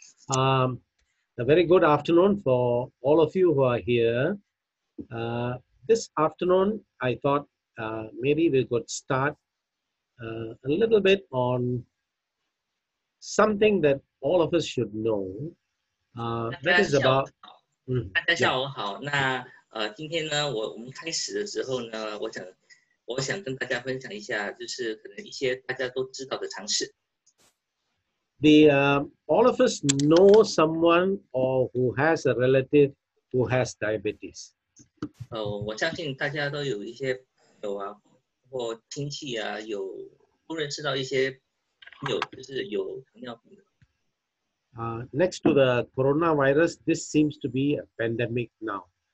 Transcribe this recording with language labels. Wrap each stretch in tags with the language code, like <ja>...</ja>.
<en>A very good afternoon for all of you who are here. This afternoon, I thought maybe we could start a little bit on something that all of us should know. That is about.</en> <zh>大家下午好。那今天呢，我们开始的时候呢，我想跟大家分享一下，就是可能一些大家都知道的常识。</zh> <en>all of us know someone or who has a relative who has diabetes. Next to the coronavirus, this seems to be a pandemic now.</en>